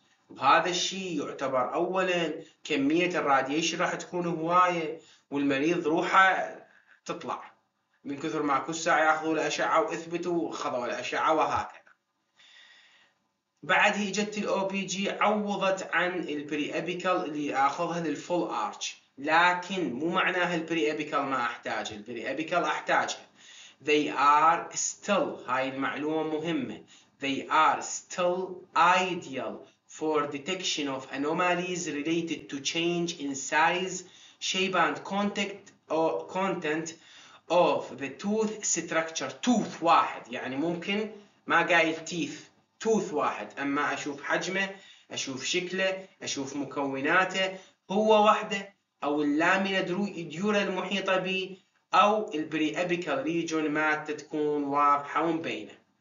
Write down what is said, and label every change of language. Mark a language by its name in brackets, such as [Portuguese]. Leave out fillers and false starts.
[Arabic] وهذا الشيء يعتبر اولا كميه الراديشن راح تكون هوايه والمريض روحه تطلع من كثر ما كل ساعه ياخذوا الاشعه واثبتوا وخذوا الاشعه وهكذا. بعد اجت الاو بي جي عوضت عن البري ابيكال اللي اخذها للفول ارش، لكن مو معناها البري ابيكال ما احتاجها، البري ابيكال احتاجها. [English] They are still، [Arabic] هاي المعلومه مهمه، [English] They are still ideal for detection of anomalies related to change in size, shape and contact or content of the tooth structure. [Arabic] tooth واحد يعني ممكن ما قايل teeth، tooth واحد، اما اشوف حجمه اشوف شكله اشوف مكوناته هو وحده او اللامينه ديورا المحيطه به او البري ابيكال ريجون ما تكون واضحه ومبينه.